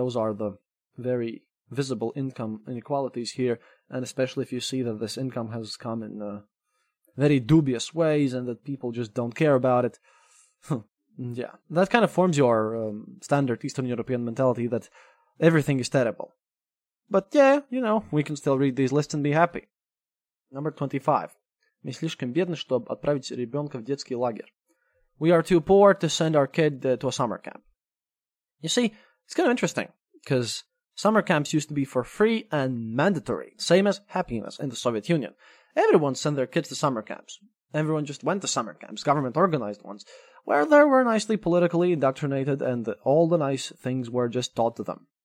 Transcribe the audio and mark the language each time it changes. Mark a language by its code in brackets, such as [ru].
[en] Those are the very visible income inequalities here, and especially if you see that this income has come in very dubious ways and that people just don't care about it. Yeah, that kind of forms your standard Eastern European mentality that everything is terrible. But yeah, you know, we can still read these lists and be happy. Number 25. [ru] Мы слишком бедны, чтобы отправить ребенка в детский лагерь. [en] We are too poor to send our kid to a summer camp. You see, it's kind of interesting, because summer camps used to be for free and mandatory, same as happiness in the Soviet Union. Everyone sent their kids to summer camps. Everyone just went to summer camps, government-organized ones, where they were nicely politically indoctrinated and all the nice things were just taught to them.